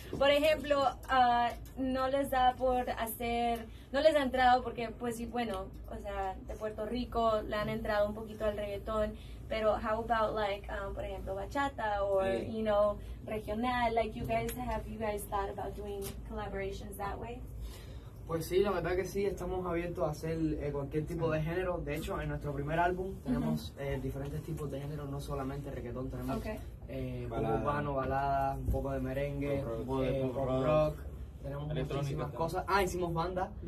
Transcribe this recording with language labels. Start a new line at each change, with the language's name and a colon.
Spanish: Por ejemplo, no les da por hacer, no les ha entrado porque, pues, bueno, o sea, de Puerto Rico le han entrado un poquito al reggaetón.
English: Pero how about, like, por ejemplo, bachata or, you know, regional? Like, have you guys thought about doing collaborations that way?
Spanish: Pues sí, la verdad que sí, estamos abiertos a hacer cualquier tipo de género. De hecho, en nuestro primer álbum tenemos diferentes tipos de género, no solamente reggaetón, tenemos urbano, balada, un poco de merengue, un poco de rock. Tenemos muchísimas cosas. Ah, hicimos banda.